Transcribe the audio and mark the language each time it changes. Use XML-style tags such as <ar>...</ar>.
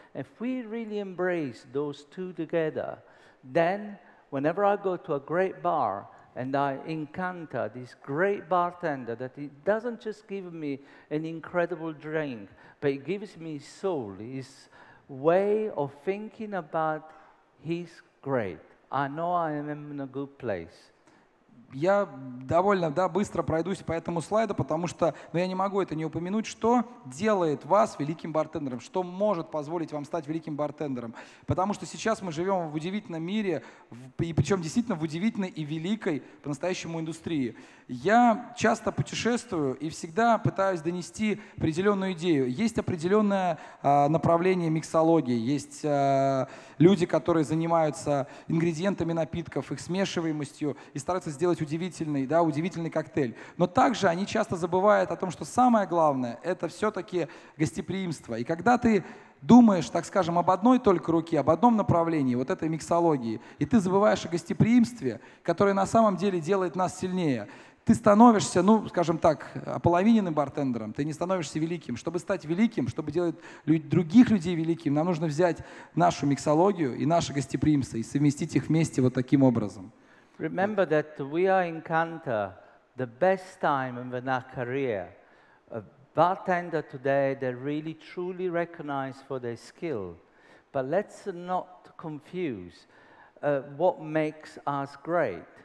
<en>If we really embrace those two together, then whenever I go to a great bar and I encounter this great bartender that it doesn't just give me an incredible drink, but it gives me soul, his way of thinking about he's great. I know I am in a good place.</en> <ru>Я довольно, да, быстро пройдусь по этому слайду, потому что, но я не могу это не упомянуть, что делает вас великим бартендером, что может позволить вам стать великим бартендером. Потому что сейчас мы живем в удивительном мире, и причем действительно в удивительной и великой по-настоящему индустрии. Я часто путешествую и всегда пытаюсь донести определенную идею. Есть определенное направление миксологии, есть люди, которые занимаются ингредиентами напитков, их смешиваемостью и стараются сделать удивительный, да, удивительный коктейль. Но также они часто забывают о том, что самое главное – это все-таки гостеприимство. И когда ты думаешь, так скажем, об одной только руке, об одном направлении, вот этой миксологии, и ты забываешь о гостеприимстве, которое на самом деле делает нас сильнее, ты становишься, ну, скажем так, ополовиненным бартендером, ты не становишься великим. Чтобы стать великим, чтобы делать других людей великим, нам нужно взять нашу миксологию и наше гостеприимство и совместить их вместе вот таким образом.</ru> <en>Remember that we are in Canta, the best time in our career. A bartender today, they're really truly recognized for their skill. But let's not confuse what makes us great.</en>